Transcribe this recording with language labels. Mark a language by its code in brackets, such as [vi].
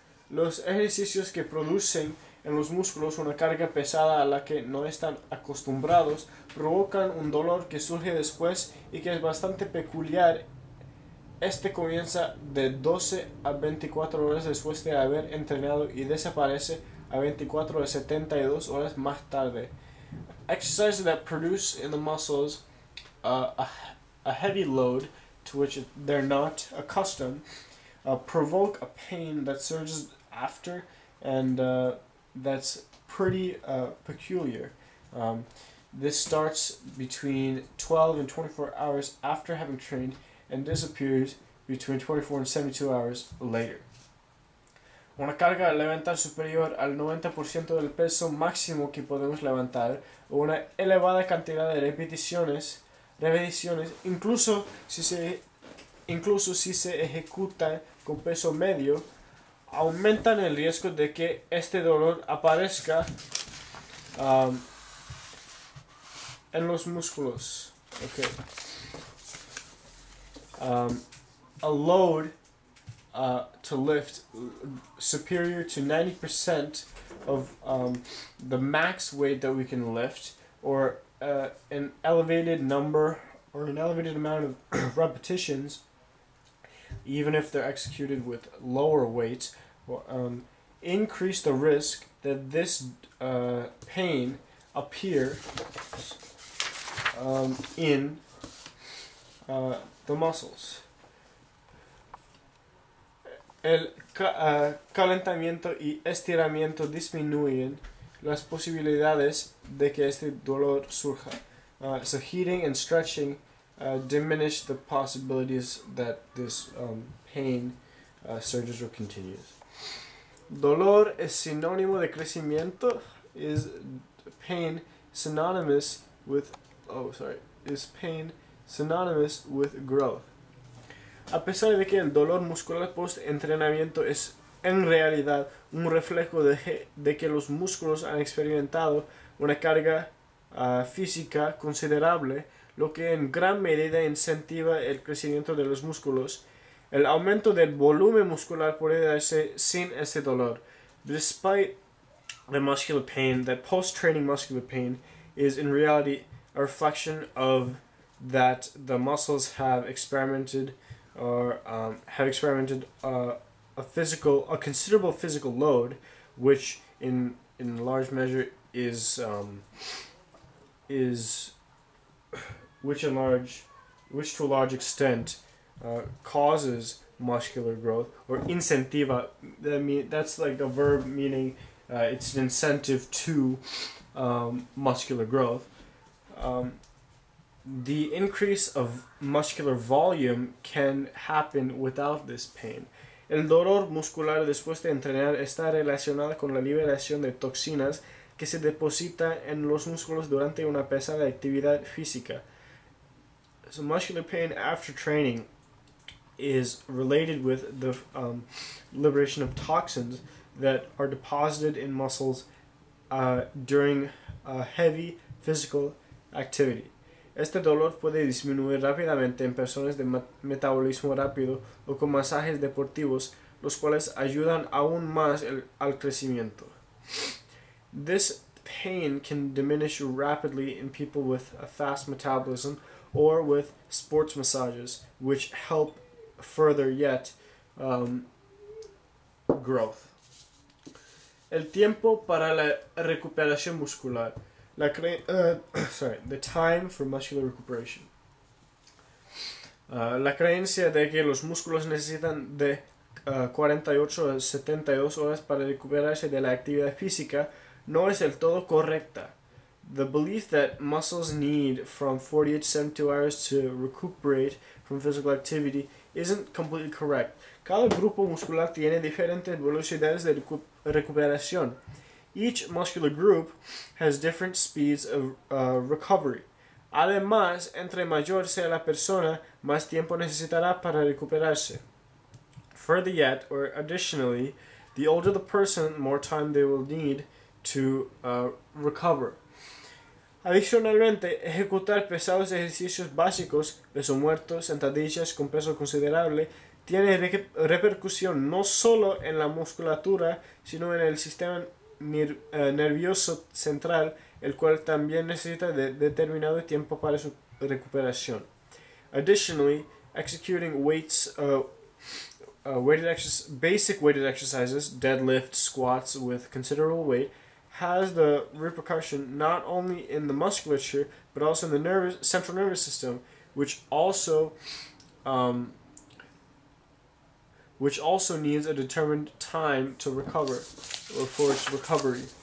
[es] Los ejercicios que producen en los músculos una carga pesada a la que no están acostumbrados provocan un dolor que surge después y que es bastante peculiar. Este comienza de 12 a 24 horas después de haber entrenado y desaparece a 24 a 72 horas más tarde. [en] Exercises that produce in the muscles a heavy load to which they're not accustomed provoke a pain that surges after and that's pretty peculiar. This starts between 12 and 24 hours after having trained and disappears between 24 and 72 hours later. [es] Una carga al levantar superior al 90% del peso máximo que podemos levantar, o una elevada cantidad de repeticiones, incluso si se ejecuta con peso medio, aumentan el riesgo de que este dolor aparezca en los músculos. [en] Okay. A load to lift superior to 90% of the max weight that we can lift, or an elevated amount of repetitions, even if they're executed with lower weight, increase the risk that this pain appears in the muscles. [es] El calentamiento y estiramiento disminuyen las posibilidades de que este dolor surja. [en] So heating and stretching diminish the possibilities that this pain surges or continues. [es] ¿Dolor es sinónimo de crecimiento? [en] Is pain synonymous with... Is pain synonymous with growth? [es] A pesar de que el dolor muscular post-entrenamiento es en realidad un reflejo de que los músculos han experimentado una carga física considerable, lo que en gran medida incentiva el crecimiento de los músculos, el aumento del volumen muscular puede darse sin ese dolor. [en] Despite the muscular pain, that post-training muscular pain is in reality a reflection of that the muscles have experimented or a considerable physical load, which in large measure is, to a large extent, causes muscular growth, or incentiva. That's like a verb meaning it's an incentive to muscular growth. The increase of muscular volume can happen without this pain. [es] El dolor muscular después de entrenar está relacionado con la liberación de toxinas que se deposita en los músculos durante una pesada actividad física. [en] So muscular pain after training is related with the liberation of toxins that are deposited in muscles during a heavy physical activity. [es] Este dolor puede disminuir rápidamente en personas de metabolismo rápido o con masajes deportivos, los cuales ayudan aún más al crecimiento. [en] This pain can diminish rapidly in people with a fast metabolism or with sports massages, which help further yet growth. [es] El tiempo para la recuperación muscular. [en] The time for muscular recuperation. [es] La creencia de que los músculos necesitan de 48 a 72 horas para recuperarse de la actividad física no es del todo correcta. [en] The belief that muscles need from 48 to 72 hours to recuperate from physical activity isn't completely correct. [es] Cada grupo muscular tiene diferentes velocidades de recuperación. [en] Each muscular group has different speeds of recovery. [es] Además, entre mayor sea la persona, más tiempo necesitará para recuperarse. [en] Further yet, or additionally, the older the person, more time they will need to recover. [es] Adicionalmente, ejecutar pesados ejercicios básicos, peso muerto, sentadillas con peso considerable, tiene repercusión no solo en la musculatura, sino en el sistema nervioso central, el cual también necesita de determinado tiempo para su recuperación. [en] Additionally, executing basic weighted exercises, deadlift, squats with considerable weight, has the repercussion not only in the musculature but also in the central nervous system, which also needs a determined time to recover, or for its recovery.